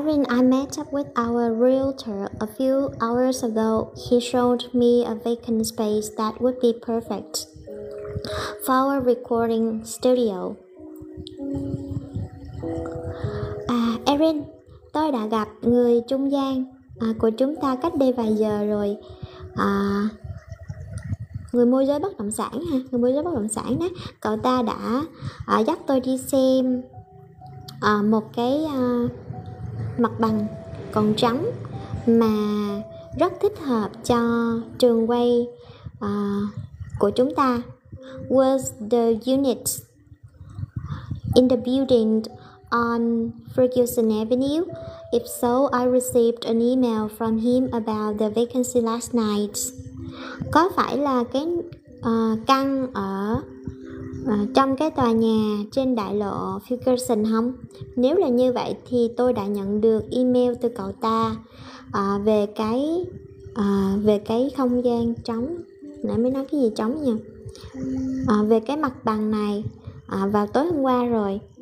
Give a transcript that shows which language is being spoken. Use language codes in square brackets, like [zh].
[en] I met up with our realtor a few hours ago. He showed me a vacant space that would be perfect for our recording studio. [vi] Erin, tôi đã gặp người trung gian của chúng ta cách đây vài giờ rồi. Người môi giới bất động sản ha, người môi giới bất động sản đó. Cậu ta đã dắt tôi đi xem một cái mặt bằng còn trống mà rất thích hợp cho trường quay của chúng ta. [en] Was the unit in the building on Ferguson Avenue? If so, I received an email from him about the vacancy last night. [vi] Có phải là cái căn ở trong cái tòa nhà trên đại lộ Ferguson không? Nếu là như vậy thì tôi đã nhận được email từ cậu ta về cái không gian trống. Nãy mới nói cái gì trống nhỉ? Về cái mặt bằng này vào tối hôm qua rồi.